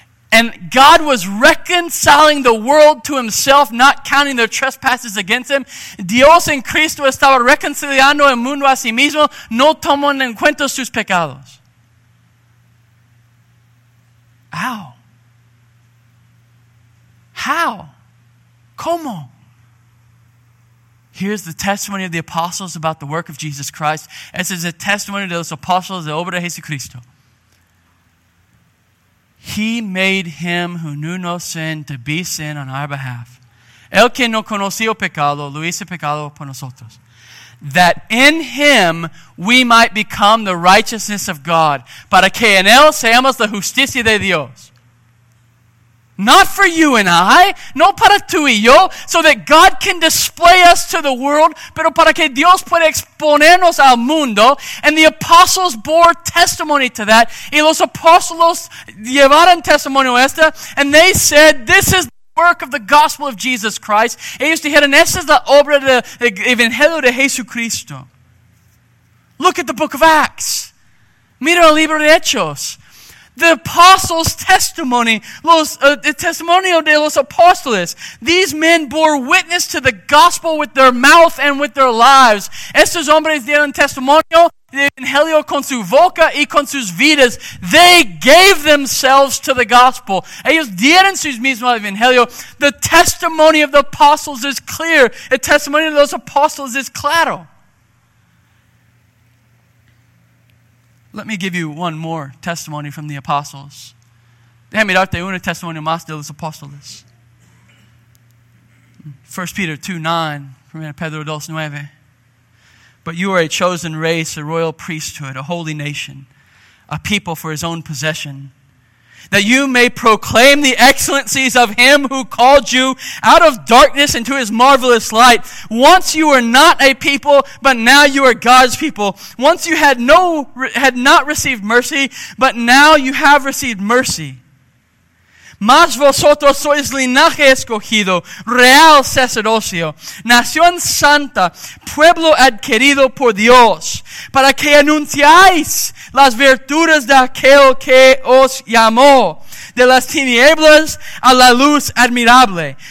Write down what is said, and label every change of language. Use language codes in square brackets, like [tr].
[en] And God was reconciling the world to himself, not counting their trespasses against him. [es] Dios en Cristo estaba reconciliando el mundo a sí mismo, no tomando en cuenta sus pecados. Ow. [en] How? [es] Como? [en] Here's the testimony of the apostles about the work of Jesus Christ. This is a testimony of those apostles, the [es] obra de Jesucristo. [en] He made him who knew no sin to be sin on our behalf. [es] El que no conoció pecado, lo hizo pecado por nosotros. [en] That in him we might become the righteousness of God. [es] Para que en él seamos la justicia de Dios. [en] Not for you and I, [es] no para tú y yo, [en] so that God can display us to the world, [es] pero para que Dios pueda exponernos al mundo. [en] And the apostles bore testimony to that. [es] Y los apóstolos llevaron testimonio esta, [en] and they said, this is the work of the gospel of Jesus Christ. [es] Ellos dijeron, esta es la obra del Evangelio de Jesucristo. [en] Look at the book of Acts. [es] Mira el libro de Hechos. [en] The apostles' testimony, the [es] testimonio de los apóstoles. [en] These men bore witness to the gospel with their mouth and with their lives. [es] Estos hombres dieron testimonio del evangelio con su boca y con sus vidas. [en] They gave themselves to the gospel. [es] Ellos dieron sus mismos al evangelio. [en] The testimony of the apostles is clear. [es] El testimonio de los apóstoles es claro. [en] Let me give you one more testimony from the apostles. [es] Déjame darte un testimonio más de los apóstoles. [en] 1 Peter 2:9, 1 Pedro 2:9. But you are a chosen race, a royal priesthood, a holy nation, a people for his own possession, that you may proclaim the excellencies of him who called you out of darkness into his marvelous light. Once you were not a people, but now you are God's people. Once you had not received mercy, but now you have received mercy. [es] Mas vosotros sois linaje escogido, real sacerdocio, nación santa, pueblo adquirido por Dios, para que anunciáis las virtudes de aquel que os llamó de las tinieblas a la luz admirable.